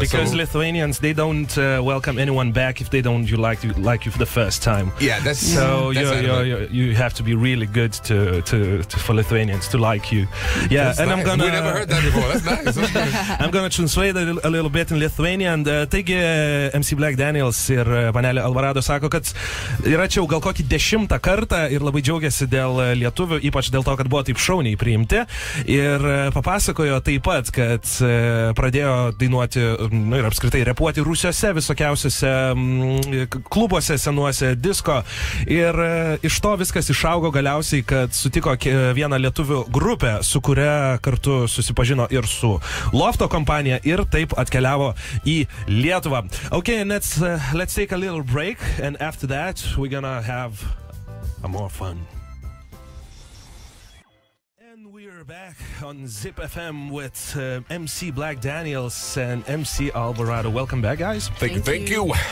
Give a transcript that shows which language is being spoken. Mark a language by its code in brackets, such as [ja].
[en] because so, Lithuanians, they don't wouldn't welcome anyone back if they don't like you for the first time. Yeah, that's so. You have to be really good to for Lithuanians to like you. Yeah, that's and nice. I'm gonna. We never heard that before. That's nice. I'm gonna translate a little bit in Lithuanian. [lt] Taigi, MC Black Daniels ir panelė Alvarado sako, kad yra čia jau gal kokį 10 kartą ir labai džiaugiasi dėl lietuvių, ypač dėl to, kad buvo taip šauniai priimti. Ir papasakojo taip pat, kad pradėjo dainuoti, nu ir apskritai repuoti Rusijose, visokiausiose klubuose, senuose, disko. Ir iš to viskas išaugo galiausiai, kad sutiko vieną lietuvių grupę, su kuria kartu susipažino ir su Lofto kompanija ir taip atkeliavo į Lietuvą. [en] Okay, and let's take a little break, and after that we're gonna have a more fun. And we're back on Zip FM with MC Black Daniels and MC Alvarado. Welcome back, guys. Thank you.